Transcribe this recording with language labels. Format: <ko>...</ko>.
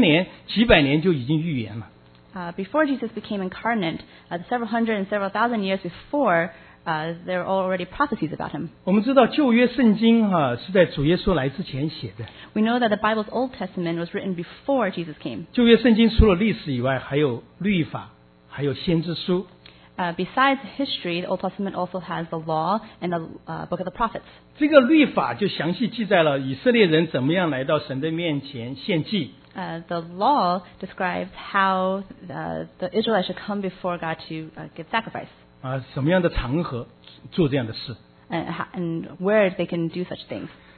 <zh>我们的主耶稣在他道成肉身之前几千年、几百年就已经预言了。</zh> <en>Before Jesus became incarnate, several hundred and several thousand years before, there are already prophecies about him.</en> <zh>我们知道旧约圣经是在主耶稣来之前写的。</zh> <en>We know that the Bible's Old Testament was written before Jesus came.</en> <zh>旧约圣经除了历史以外，还有律法，还有先知书。</zh> <en>Besides history, the Old Testament also has the law and the book of the prophets.</en> <zh>这个律法就详细记载了以色列人怎么样来到神的面前献祭。</zh> <en>The law describes how the Israelites should come before God to give sacrifice.</en> <zh>什么样的场合做这样的事。</zh> <en>And where they can do such things.</en>